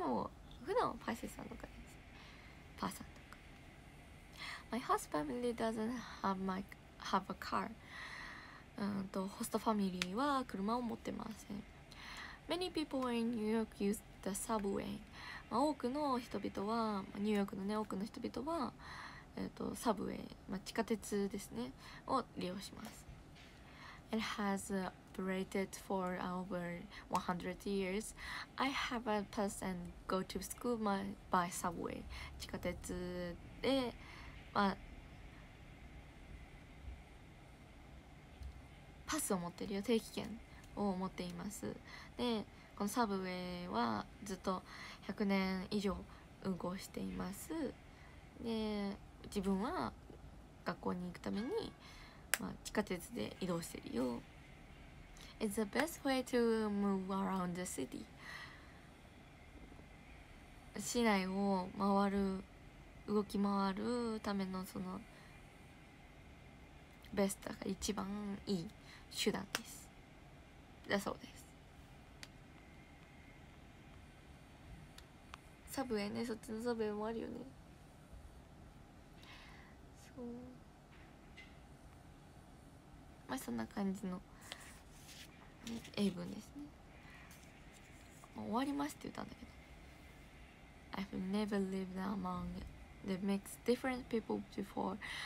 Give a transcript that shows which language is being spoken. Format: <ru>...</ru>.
<ja>でも普段はパイセさんとかです、パーさんとか。</ja> <en>My host family doesn't have a car.</en> <ja>ホストファミリーは車を持ってません。</ja> <en>Many people in New York use the subway.</en> <ja>多くの人々は、ニューヨークのね、多くの人々は、サブウェイ、まあ、地下鉄ですね、を利用します。</ja> <en>It has operated for over 100 years. I have a pass and go to school by subway.</en> <ja>地下鉄で、まあ、パスを持ってるよ、定期券を持っています。で、このサブウェイはずっと100年以上運行しています。で、自分は学校に行くために、まあ、地下鉄で移動してるよ。</ja> <en>It's the best way to move around the city.</en> <ja>市内を回る、動き回るためのそのベストが一番いい手段です、だそうです。サブウェイね、そっちのサブウェイもあるよね。そう、まあ、そんな感じの英文ですね。まあ、終わりますって言ったんだけど。</ja> <en>I've never lived among the mixed different people before.</en>